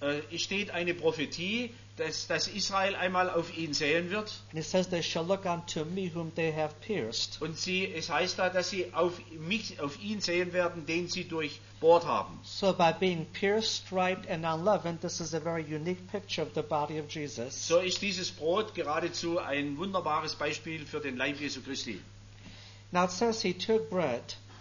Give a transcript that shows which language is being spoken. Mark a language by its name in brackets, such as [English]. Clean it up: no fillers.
[German] Es steht eine Prophetie, dass Israel einmal auf ihn sehen wird. [English] And it says they shall look unto me whom they have pierced. [German] Und es heißt da, dass sie auf ihn sehen werden, den sie durchbohrt haben. [English] So by being pierced, striped and unleavened, this is a very unique picture of the body of Jesus. [German] So ist dieses Brot geradezu ein wunderbares Beispiel für den Leib Jesu Christi. [English] Now it says he took bread.